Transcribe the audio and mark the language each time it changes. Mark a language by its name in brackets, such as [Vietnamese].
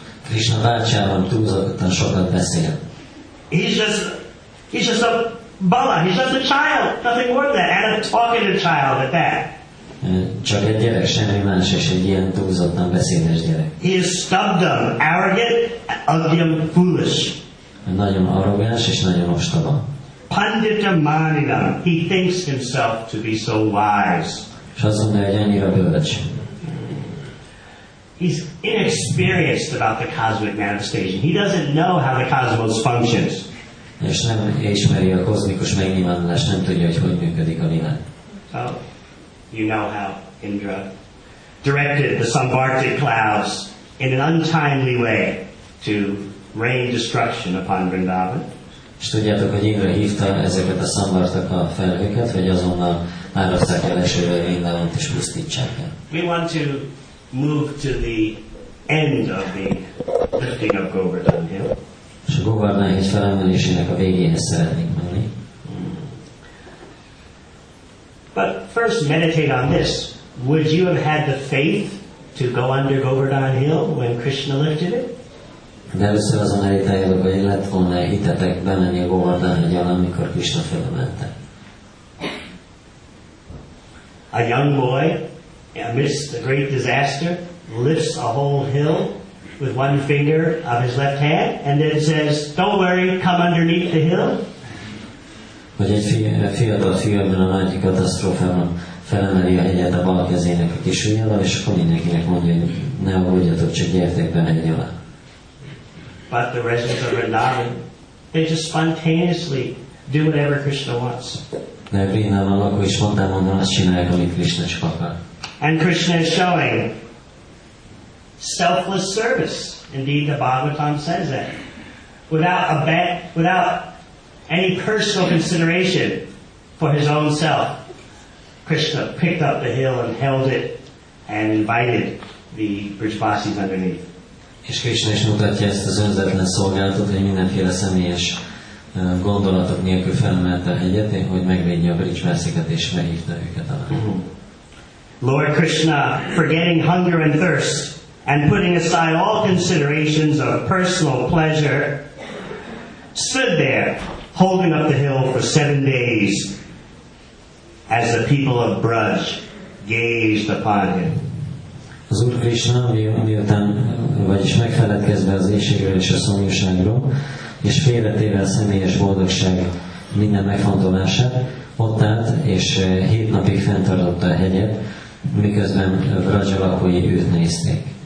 [Hungarian] Krishna vachavam, túlzottan sokat beszél. [English] He's just a bala. He's just a child. Nothing more than that. And a talkative child at that. [Hungarian] Csak egy gyerek, semmi más, és egy ilyen túlzottan beszédes gyerek. [English] He is stubborn, arrogant, ugly, foolish. [Hungarian] Nagyon arrogáns és nagyon ostoba. [English] Pandita Manigam, he thinks himself to be so wise. [Hungarian] És azt mondja, hogy annyira bölcs. [English] He's inexperienced about the cosmic manifestation. He doesn't know how the cosmos functions. [Hungarian] És nem ismeri a kozmikus megnyilvánulást, nem tudja, hogy működik a világ. [English] You know how Indra directed the Samvartic clouds in an untimely way to rain destruction upon Vrindavan. [Hungarian] És tudjátok, hogy Indra hívta ezeket a Samvartak a felhőket, hogy azonnal árasszák el esővel Vrindavant és pusztítsák el. [English] We want to move to the end of the lifting of Govardhana Hill. [Hungarian] És a Govardhana hegy felemelésének a végéhez szeretnénk menni. [English] But first meditate on this. Would you have had the faith to go under Govardhana Hill when Krishna lifted it? [Hungarian] De először azon meditáljátok, hogy lett volna hitetek bemenni a Govardhana hegyen, amikor Krishna felemelte. [English] A young boy, amidst the great disaster, lifts a whole hill with one finger of his left hand, and then says, "Don't worry, come underneath the hill." [Hungarian] Hogy egy fiatal fiamban a nagy katasztrófában felemeli a hegyet a bal kezének a kis ujjával, és akkor mindenkinek mondja, hogy ne aggódjatok, csak gyertek be hegy alá. [English] But the residents of Vrindavan They just spontaneously do whatever Krishna wants. [Hungarian] De Vrindavan lakó is mondanom, hogy azt csinálják, amit Krishna csak akar. [English] And Krishna is showing selfless service. Indeed, the Bhagavatam says that. Without any personal consideration for his own self, Krishna picked up the hill and held it and invited the Vrijvasis underneath. [Hungarian] És Krishna is mutatja ezt az önzetlen szolgálatot, hogy mindenféle személyes gondolatok nélkül felemelte a hegyet, hogy megvédje a Vrijvasikat és meghívta őket alá. [English] Lord Krishna, forgetting hunger and thirst, and putting aside all considerations of personal pleasure, stood there, holding up the hill for 7 days, as the people of Braj gazed upon him. [Hungarian] Az Úr Krishna, miután, vagyis megfeledkezve az éhségről és a szomjúságról, és félretével személyes boldogság minden megfontolását, ott állt, és 7 napig fenntartotta a hegyet, miközben Braj lakói őt nézték.